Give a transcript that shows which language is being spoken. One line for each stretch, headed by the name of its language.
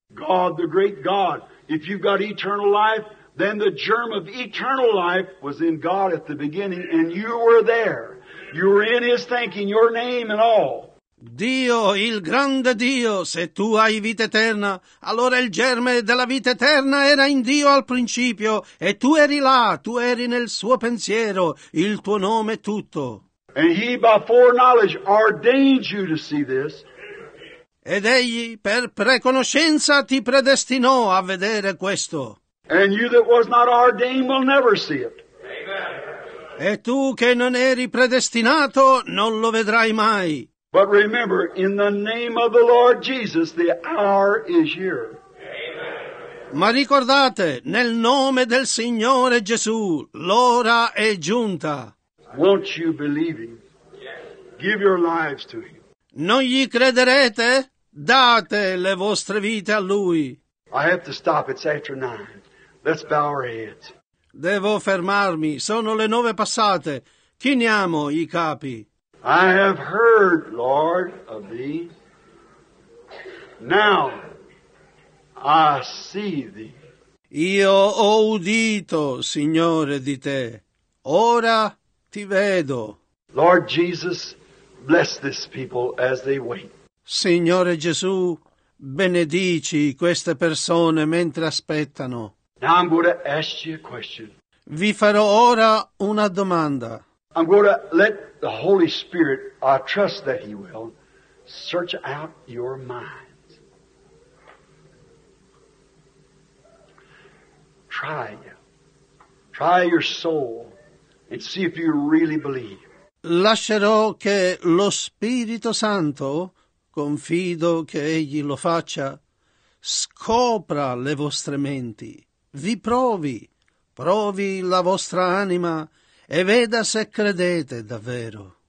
English: God, the great God, if you've got eternal life, then the germ of eternal life was in God at the beginning, and you were there. You were in his thinking, your name and all.
Italian: Dio, il grande Dio, se tu hai vita eterna, allora il germe della vita eterna era in Dio al principio, e tu eri là, tu eri nel suo pensiero, il tuo nome è tutto.
English: And he by foreknowledge ordained you to see this.
Italian: Ed egli, per preconoscenza, ti predestinò a vedere questo.
English: And you that was not ordained will never see it.
Italian: E tu che non eri predestinato non lo vedrai mai.
English: But remember, in the name of the Lord Jesus, the hour is here.
Italian: Ma ricordate, nel nome del Signore Gesù, l'ora è giunta.
English: Won't you believe him? Give your lives to him.
Italian: Non gli crederete? Date le vostre vite a lui.
English: I have to stop, it's after 9. Let's bow our heads.
Italian: Devo fermarmi, sono le 9 passate. Chiniamo i capi.
English: I have heard, Lord, of thee. Now I see thee.
Italian: Io ho udito, Signore, di te. Ora ti vedo.
English: Lord Jesus, bless this people as they wait.
Italian: Signore Gesù, benedici queste persone mentre aspettano.
English: Now I'm going to ask you a question.
Italian: Vi farò ora una domanda.
English: I'm going to let the Holy Spirit, I trust that he will, search out your mind. Try you. Try your soul and see if you really believe.
Italian: Lascerò che lo Spirito Santo confido che egli lo faccia. Scopra le vostre menti, vi provi, provi la vostra anima e veda se credete davvero.